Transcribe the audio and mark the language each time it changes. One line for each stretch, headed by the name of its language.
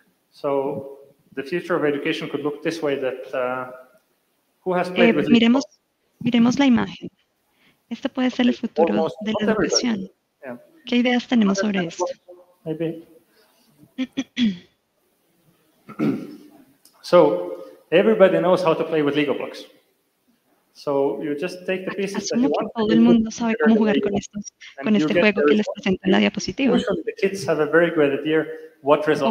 English: So the future of education could look this way that who has played with
Spanish: miremos la imagen. Esto puede ser el futuro de la educación.
English: Yeah.
Spanish: ¿Qué ideas tenemos sobre esto?
English: Maybe. So everybody knows how to play with Lego blocks. So you just take the pieces that you want.
Spanish: Todo el mundo sabe cómo jugar con estos, con este juego que les presento en la diapositiva.
English: The kids have a very good idea what result.